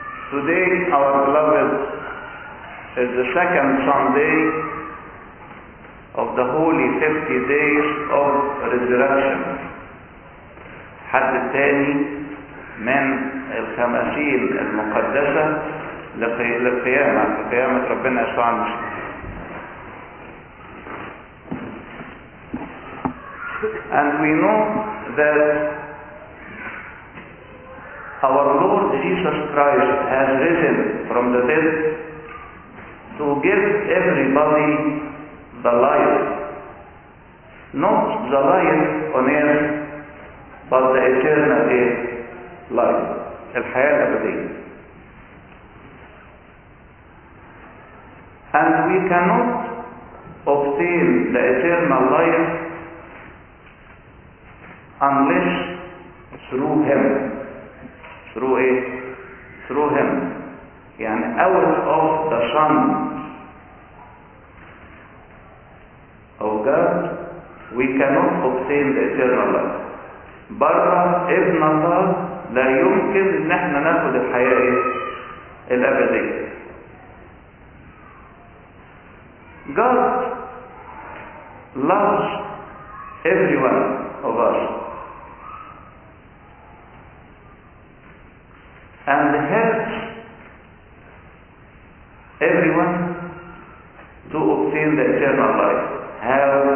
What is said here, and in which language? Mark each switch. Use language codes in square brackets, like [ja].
[en] Today, our beloved, is the second Sunday of the holy 50 days of resurrection. [ar] حد الثاني من الخمسين المقدسة للقيامة قيامة ربنا يسوع المسيح. [en] And we know that our Lord Jesus Christ has risen from the dead to give everybody the life. Not the life on earth, but the eternal life. [ar] الحياة الأبدية. [en] And we cannot obtain the eternal life unless through him. Through it. Through him. And out of the Son of God, we cannot obtain the eternal life. [ar] برا ابن الله لا يمكن ان احنا ناخد الحياة الابدية. [en] God loves everyone of us. And helps Everyone to obtain the eternal life. How?